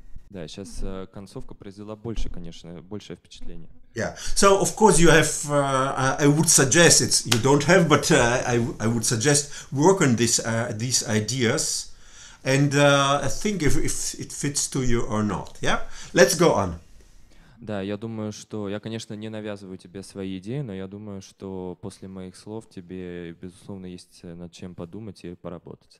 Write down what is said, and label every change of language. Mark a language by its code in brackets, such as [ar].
[ru] Да, сейчас концовка произвела больше, конечно, большее впечатление. [en] Yeah. So of course you have. I would suggest it's you don't have, but I would suggest work on this these ideas, and I think if it fits to you or not. Yeah. Let's go on. [ru] Да, я думаю, что я, конечно, не навязываю тебе свои идеи, но я думаю, что после моих слов тебе, безусловно, есть над чем подумать и поработать.